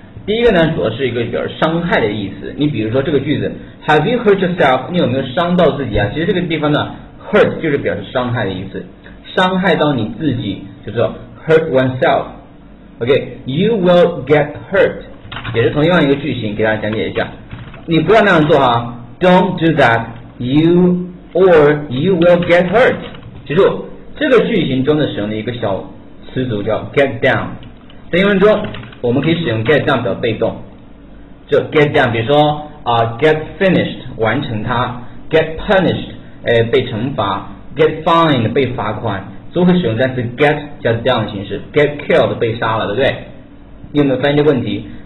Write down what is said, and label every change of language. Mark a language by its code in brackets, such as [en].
[zh] 第一个呢，主要是一个表示伤害的意思。你比如说这个句子， [en] Have you hurt yourself？ [zh] 你有没有伤到自己啊？其实这个地方呢，hurt 就是表示伤害的意思，伤害到你自己，就是说 [en] hurt oneself。 [zh] OK， [en] you will get hurt， [zh] 也是同样一个句型，给大家讲解一下。你不要那样做啊， [en] Don't do that，you or you will get hurt。 [zh] 记住，这个句型中的使用的一个小词组叫 [en] get down， [zh] 在英文中。我们可以使用 [en] get down [zh] 表被动，就 get down，比如说 [en] get finished [zh] 完成它， [en] get punished [zh] 被惩罚， [en] get fined [zh] 被罚款，都会使用单词 get 加 down 的形式， [en] get killed [zh] 被杀了，对不对？你有没有发现这个问题？